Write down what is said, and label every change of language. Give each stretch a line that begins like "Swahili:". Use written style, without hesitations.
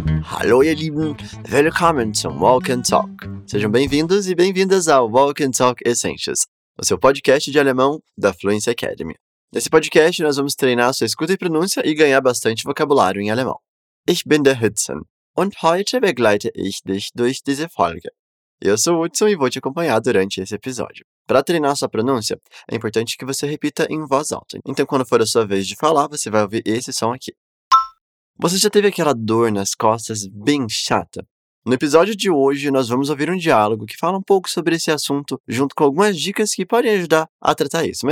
German: Hallo ihr Lieben, willkommen zum Walk and Talk.
Portuguese: Sejam bem-vindos e bem-vindas ao Walk and Talk Essentials, o seu podcast de alemão da Fluency Academy. Nesse podcast nós vamos treinar sua escuta e pronúncia e ganhar bastante vocabulário em alemão.
German: Ich bin der Hudson und heute begleite ich dich durch diese Folge.
Portuguese: Eu sou o Hudson e vou te acompanhar durante esse episódio. Para treinar sua pronúncia, é importante que você repita em voz alta. Então, quando for a sua vez de falar, você vai ouvir esse som aqui. Você já teve aquela dor nas costas bem chata? No episódio de hoje, nós vamos ouvir um diálogo que fala um pouco sobre esse assunto, junto com algumas dicas que podem ajudar a tratar isso.